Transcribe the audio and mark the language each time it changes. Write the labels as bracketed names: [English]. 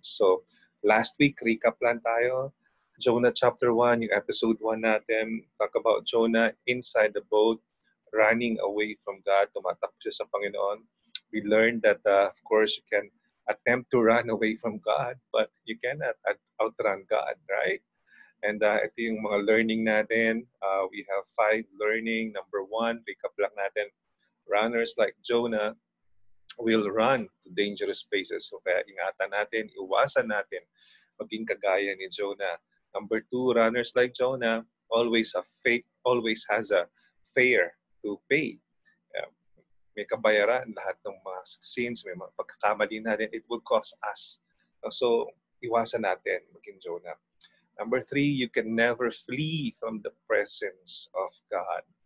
[English] So last week, [Filipino] recap lang tayo. [English] Jonah chapter 1, yung episode 1 natin, talk about Jonah inside the boat, running away from God, [Filipino] tumatakbo sa Panginoon. [English] We learned that, of course, you can attempt to run away from God, but you cannot outrun God, right? [Filipino] And ito yung mga learning natin. [English] We have five learning. Number one, [Filipino] recap lang natin. [English] Runners like Jonah will run to dangerous places. [Filipino] So kaya ingatan natin, iwasan natin maging kagaya ni Jonah. [English] Number two, runners like Jonah always has a fare to pay. [Filipino] May kabayaran lahat ng mga sins, may mga pagkakamali natin, [English] it will cost us. [Filipino] So, iwasan natin maging Jonah. [English] Number three, you can never flee from the presence of God.